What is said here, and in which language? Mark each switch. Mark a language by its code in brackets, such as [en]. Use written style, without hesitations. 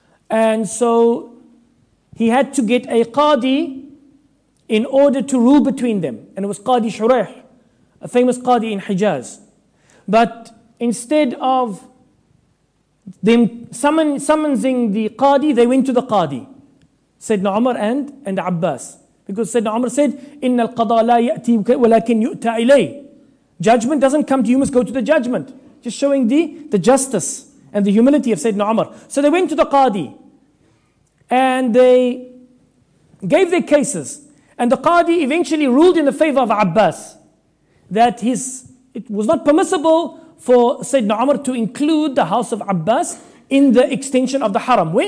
[en] And so he had to get a qadi in order to rule between them. And it was Qadi Shurayh, a famous qadi in Hijaz. But instead of them summoning the qadi, they went to the qadi, Sayyidina Umar and Abbas. Because Sayyidina Umar said, [ar] إِنَّ الْقَضَى لَا يَأْتِي وَلَكِنْ يُؤْتَى إِلَيْهِ. [en] Judgment doesn't come to you, you must go to the judgment. Just showing the justice and the humility of Sayyidina Umar. So they went to the Qadi and they gave their cases. And the Qadi eventually ruled in the favor of Abbas that it was not permissible for Sayyidina Umar to include the house of Abbas in the extension of the Haram. Where?